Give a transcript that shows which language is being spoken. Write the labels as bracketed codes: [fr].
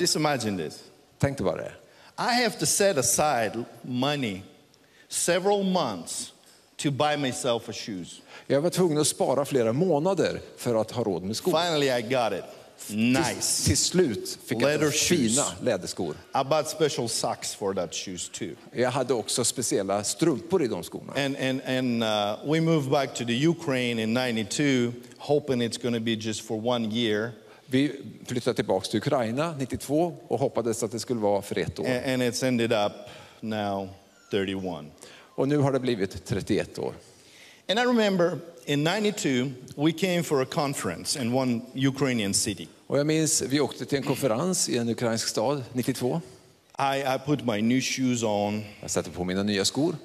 [en] Just imagine this. [sv] Tänk bara det. [en] I have to set aside money several months to buy myself a shoes. [sv] Jag var tvungen att spara flera månader för att ha råd med skor. [en] Finally I got it. Nice. [sv] Till slut fick jag fina läderskor. [en] I bought special socks for that shoes too. [sv] Jag hade också speciella strumpor i de skorna. [en] And we moved back to the Ukraine in 92, hoping it's going to be just for one year. [sv] Vi flyttade tillbaka till Ukraina 92 och hoppades att det skulle vara för ett år. [en] And it's ended up now 31. [sv] Och nu har det blivit 31 år. [en] And I remember in 92 we came for a conference in one Ukrainian city. [sv] Och jag minns vi åkte till en konferens i en ukrainsk stad 92. [en] I put my new shoes on. [sv] Jag satte på mina nya skor.